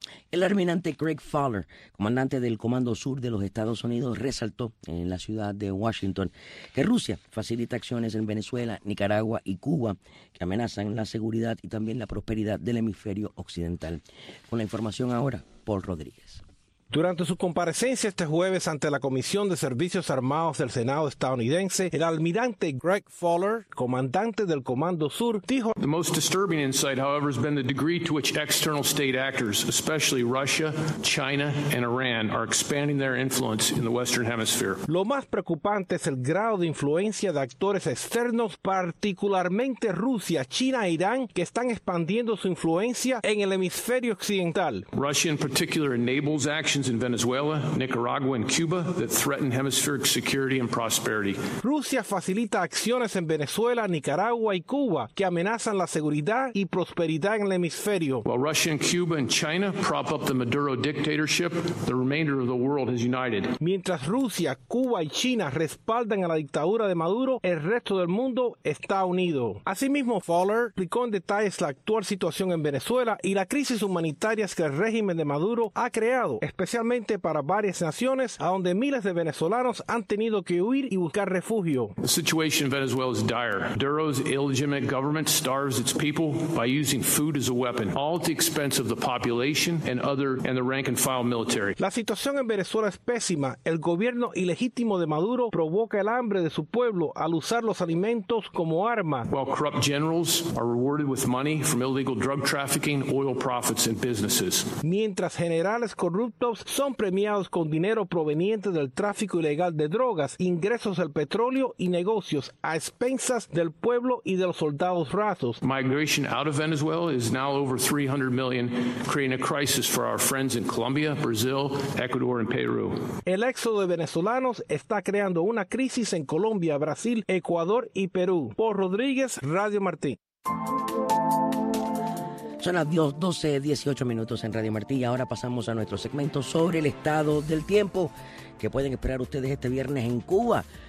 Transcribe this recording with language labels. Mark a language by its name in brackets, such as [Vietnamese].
[Spanish] El almirante Craig Fowler, comandante del Comando Sur de los Estados Unidos, resaltó en la ciudad de Washington que Rusia facilita acciones en Venezuela, Nicaragua y Cuba que amenazan la seguridad y también la prosperidad del hemisferio occidental. Con la información ahora, Paul Rodríguez. Durante su comparecencia este jueves ante la Comisión de Servicios Armados del Senado estadounidense, el almirante Greg Fowler, comandante del Comando Sur, dijo: [English] "The most disturbing insight, however, has been the degree to which external state actors, especially Russia, China, and Iran, are expanding their influence in the Western Hemisphere." [Spanish] Lo más preocupante es el grado de influencia de actores externos, particularmente Rusia, China e Irán, que están expandiendo su influencia en el hemisferio occidental. [English] Russia, in particular, enables action in Venezuela, Nicaragua, and Cuba that threaten hemispheric security and prosperity. [Spanish] Rusia facilita acciones en Venezuela, Nicaragua y Cuba que amenazan la seguridad y prosperidad en el hemisferio. [English] While Russia and Cuba and China prop up the Maduro dictatorship, the remainder of the world has united. [Spanish] Mientras Rusia, Cuba y China respaldan a la dictadura de Maduro, el resto del mundo está unido. Asimismo, Fowler explicó en detalles la actual situación en Venezuela y la crisis humanitaria que el régimen de Maduro ha creado, especialmente para varias naciones a donde miles de venezolanos han tenido que huir y buscar refugio. [English] The situation in Venezuela is dire. Maduro's illegitimate government starves its people by using food as a weapon, all at the expense of the population and the rank and file military. [Spanish] La situación en Venezuela es pésima. El gobierno ilegítimo de Maduro provoca el hambre de su pueblo al usar los alimentos como arma. [English] While corrupt generals are rewarded with money from illegal drug trafficking, oil profits, and businesses. [Spanish] Mientras generales corruptos son premiados con dinero proveniente del tráfico ilegal de drogas, ingresos del petróleo y negocios a expensas del pueblo y de los soldados rasos. [English] Migration out of Venezuela is now over 300 million, creating a crisis for our friends in Colombia, Brazil, Ecuador and Peru. [Spanish] El éxodo de venezolanos está creando una crisis en Colombia, Brasil, Ecuador y Perú. Paul Rodríguez, Radio Martí. Son las 12:18 minutos en Radio Martí y ahora pasamos a nuestro segmento sobre el estado del tiempo que pueden esperar ustedes este viernes en Cuba.